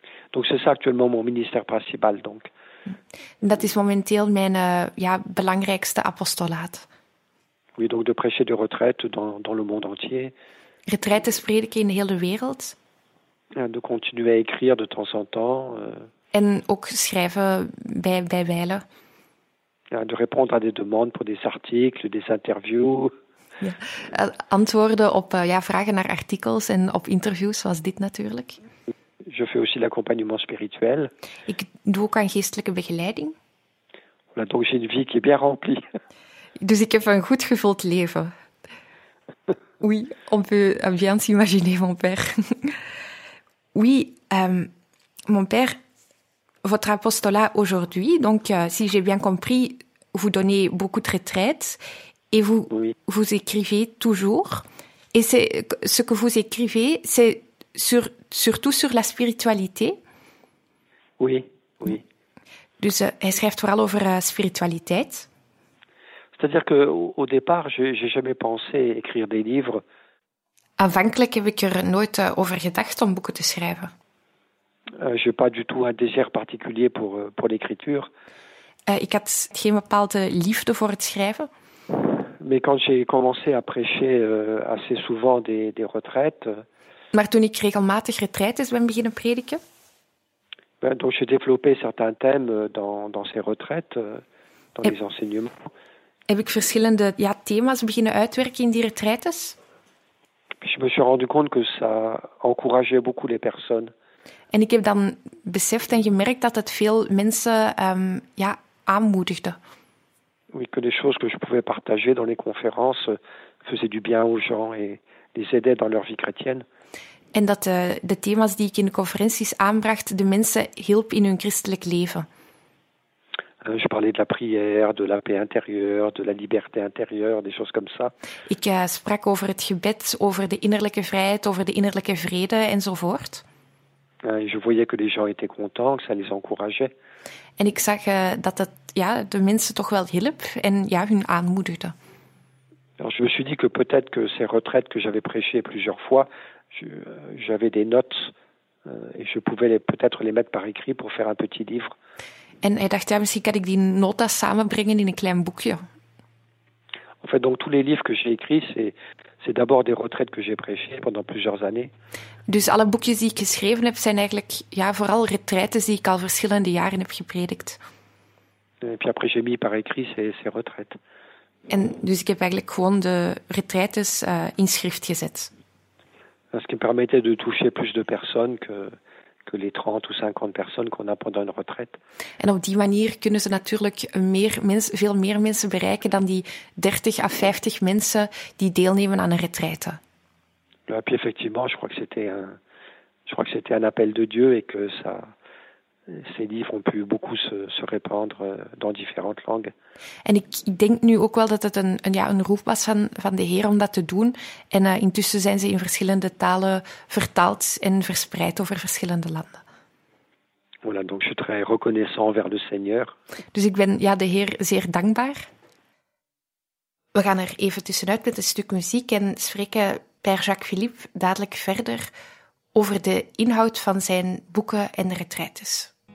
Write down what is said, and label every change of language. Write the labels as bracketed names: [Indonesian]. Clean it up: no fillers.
[French] Donc c'est ça actuellement mon ministère principal donc. [Dutch] Dat is momenteel mijn belangrijkste apostolaat. [French] Oui, donc de prêcher des retraites dans le monde entier. [Dutch] Retraites prediken in heel de wereld. [French] En de continuer à écrire de temps en temps. [Dutch] En ook schrijven bij wijlen. [French] Ja, de répondre à des demandes pour des articles, des interviews. [Dutch] Ja. Antwoorden op vragen naar artikels en op interviews zoals dit natuurlijk. [French] Je fais aussi l'accompagnement spirituel. [Dutch] Ik doe ook aan geestelijke begeleiding. [French] Voilà, donc j'ai une vie qui est bien remplie. [Dutch] Dus ik heb een goed gevuld leven. [French] Oui, on peut bien s'imaginer, mon père. Oui, mon père, votre apostolat aujourd'hui, donc si j'ai bien compris, vous donnez beaucoup de retraites et vous écrivez toujours. Et c'est ce que vous écrivez, c'est surtout sur la spiritualité. Oui, oui. [Dutch] Dus hij schrijft vooral over spiritualiteit. [French] C'est-à-dire qu'au départ, j'ai jamais pensé écrire des livres. [Dutch] Aanvankelijk heb ik er nooit over gedacht om boeken te schrijven. [French] J'ai pas du tout un désir particulier pour l'écriture. [Dutch] Ik had geen bepaalde liefde voor het schrijven. [French] Mais quand j'ai commencé à prêcher assez souvent des retraites. [Dutch] Maar toen ik regelmatig retraites ben beginnen prediken. [French] Ben, donc j'ai développé certains thèmes dans ces retraites, dans les enseignements. [Dutch] Heb ik verschillende thema's beginnen uitwerken in die retraites? [French] Je me suis rendu compte que ça encourageait beaucoup les personnes. [Dutch] En ik heb dan beseft en gemerkt dat het veel mensen aanmoedigde. [French] Oui, que les choses que je pouvais partager dans les conférences faisaient du bien aux gens et les aidaient dans leur vie chrétienne. [Dutch] En dat de thema's die ik in de conferenties aanbracht de mensen hielp in hun christelijk leven. [French] Je parlais de la prière, de la paix intérieure, de la liberté intérieure, des choses comme ça. [Dutch] Ik sprak over het gebed, over de innerlijke vrijheid, over de innerlijke vrede enzovoort. [French] Je voyais que les gens étaient contents, que ça les encourageait. [Dutch] En ik zag dat het de mensen toch wel hielp en hun aanmoedigde. [French] Alors je me suis dit que peut-être que ces retraites que j'avais prêchées plusieurs fois, j'avais des notes et je pouvais peut-être les mettre par écrit pour faire un petit livre. [Dutch] En hij dacht, misschien kan ik die nota samenbrengen in een klein boekje. [French] En fait, donc tous les livres que j'ai écrits, c'est d'abord des retraites que j'ai prêchées pendant plusieurs années. [Dutch] Dus alle boekjes die ik geschreven heb, zijn eigenlijk vooral retraites die ik al verschillende jaren heb gepredikt. [French] Et puis après, j'ai mis par écrit ces retraites. [Dutch] En dus ik heb eigenlijk gewoon de retraites in schrift gezet. [French] Ce qui me permettait de toucher plus de personnes que les 30 ou 50 personnes qu'on a pendant une retraite. [Dutch] En op die manier kunnen ze natuurlijk veel meer mensen bereiken dan die 30 à 50 mensen die deelnemen aan een retraite. [French] Et puis effectivement, je crois que c'était un appel de Dieu et que ça, ces livres ont pu beaucoup se répandre dans différentes langues. [Dutch] En ik denk nu ook wel dat het een roep was van de Heer om dat te doen. En intussen zijn ze in verschillende talen vertaald en verspreid over verschillende landen. [French] Voilà, donc je suis très reconnaissant envers le Seigneur. [Dutch] Dus ik ben de Heer zeer dankbaar. We gaan er even tussenuit met een stuk muziek en spreken Père Jacques-Philippe dadelijk verder over de inhoud van zijn boeken en retraites.